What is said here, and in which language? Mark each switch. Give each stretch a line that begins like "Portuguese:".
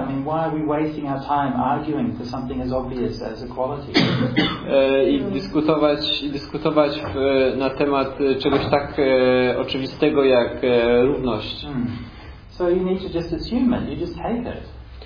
English: I mean, why are we wasting our time arguing for something as obvious as equality?
Polish: I dyskutować na temat czegoś tak oczywistego jak równość.
English: So you need to just assume it. You just take it.